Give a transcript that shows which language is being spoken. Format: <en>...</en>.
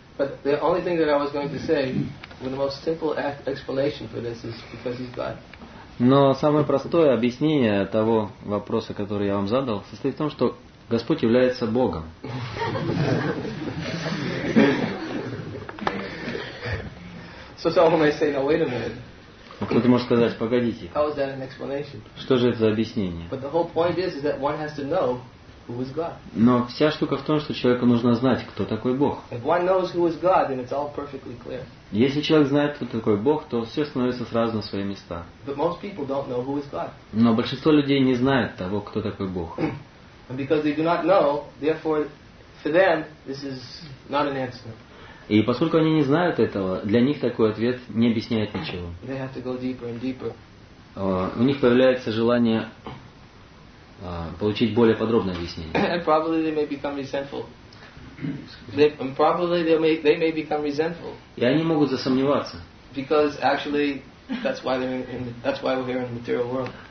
<en>But the only thing that I was going to say, the most simple explanation for this is because he's God.</en> <ru>Но самое простое объяснение того вопроса, который я вам задал, состоит в том, что Господь является Богом.</ru> <en>So someone may say, "No, wait a minute."</en> <ru>Кто-то может сказать, погодите.</ru> <en>How is that an explanation?</en> <ru>Что же это за объяснение?</ru> <en>But the whole point is that one has to know who is God.</en> <ru>Но вся штука в том, что человеку нужно знать, кто такой Бог.</ru> <en>If one knows who is God, then it's all perfectly clear.</en> <ru>Если человек знает, кто такой Бог, то все становится сразу на свои места.</ru> <en>But most people don't know who is God.</en> <ru>Но большинство людей не знает того, кто такой Бог.</ru> <en>And because they do not know, therefore, for them, this is not an answer.</en> <ru>И поскольку они не знают этого, для них такой ответ не объясняет ничего.</ru> <en>They have to go deeper and deeper.</en> <ru>У них появляется желание получить более подробное объяснение.</ru> <en>And probably they may become resentful. They may become resentful.</en> <ru>И они могут засомневаться.</ru> <en>Because actually, That's why we're here in the material world.</en>